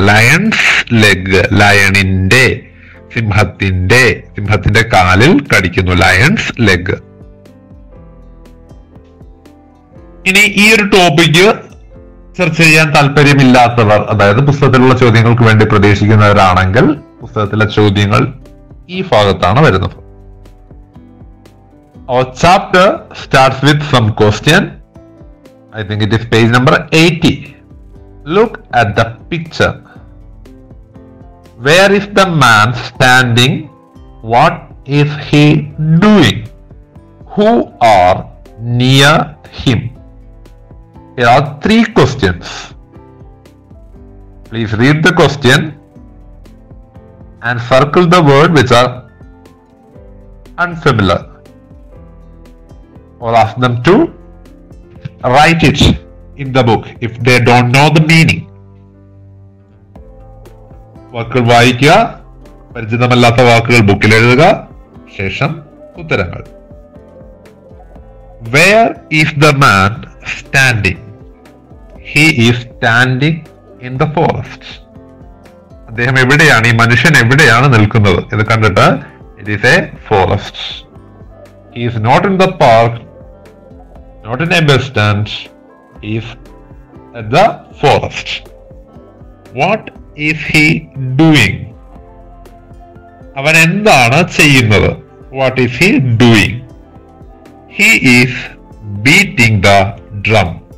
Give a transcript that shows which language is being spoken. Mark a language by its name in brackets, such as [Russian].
[Malayalam] Lions leg, ലയണിന്റെ, സിംഹത്തിന്റെ കാലിൽ കടിക്കുന്നു, lions leg. ഇനി ഈ ഒരു ടോപ്പിക്ക് ചർച്ച ചെയ്യാൻ താല്പര്യമില്ലാത്തവർ, അതായത് പുസ്തകത്തിലുള്ള ചോദ്യങ്ങൾക്ക് വേണ്ടി പ്രതീക്ഷിക്കുന്നവരാണെങ്കിൽ പുസ്തകത്തിലെ ചോദ്യങ്ങൾ ഈ ഭാഗത്താണ് വരുന്നത്. [English] Our chapter starts with some question. I think it is page number 80. Look at the picture. Where is the man standing? What is he doing? Who are near him? There are 3 questions. Please read the question and circle the word which are unfamiliar, or ask them to write it in the book if they don't know the meaning. [Malayalam] വാക്കുകൾ വായിക്കുക, പരിചിതമല്ലാത്ത വാക്കുകൾ ബുക്കിൽ എഴുതുക, ശേഷം ഉത്തരങ്ങൾ. [English] Where is the man standing? He is standing in the forest. [Malayalam] അദ്ദേഹം എവിടെയാണ്, ഈ മനുഷ്യൻ എവിടെയാണ് നിൽക്കുന്നത് എന്ന് കണ്ടിട്ട്, [English] it is a forest. He is not in the park, not in a bus stand, he is at the forest. What is he doing? [Malayalam] അവൻ എന്താണ് ചെയ്യുന്നത്. [English] What is he doing? He is beating the drum.